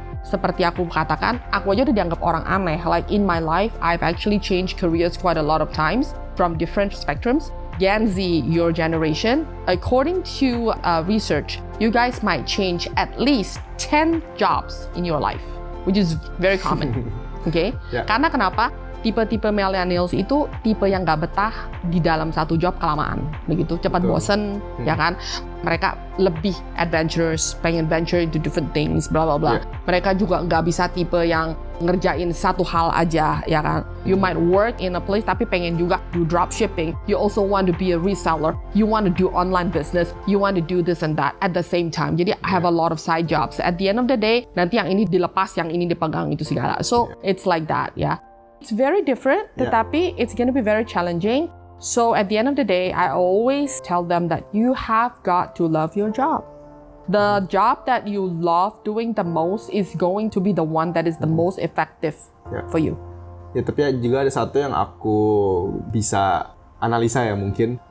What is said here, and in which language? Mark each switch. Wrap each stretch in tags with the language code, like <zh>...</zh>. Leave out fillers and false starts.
<id>Seperti aku katakan, aku aja udah dianggap orang aneh.</id> <en>Like in my life, I've actually changed careers quite a lot of times from different spectrums. Gen Z, your generation, according to research, you guys might change at least 10 jobs in your life, which is very common.</en> <id>Karena kenapa? Tipe-tipe millennials itu tipe yang gak betah di dalam satu job kelamaan, begitu, cepat bosen, ya kan? Mereka lebih adventurous, pengen</id> <en>venture into different things,</en> <id>bla bla bla. Mereka juga gak bisa tipe yang ngerjain satu hal aja, ya kan?</id> <en>You might work in a place</en> <id>tapi pengen juga</id> <en>do dropshipping, you also want to be a reseller, you want to do online business, you want to do this and that at the same time. Jadi I have a lot of side jobs. At the end of the day,</en> <id>nanti yang ini dilepas, yang ini dipegang, itu segala.</id> <en>So it's like that, ya. It's very different, tetapi it's going to be very challenging. So at the end of the day, I always tell them that you have got to love your job. The job that you love doing the most is going to be the one that is the most effective for you.</en> <id>Ya, tapi juga ada satu yang aku bisa analisa ya mungkin.</id>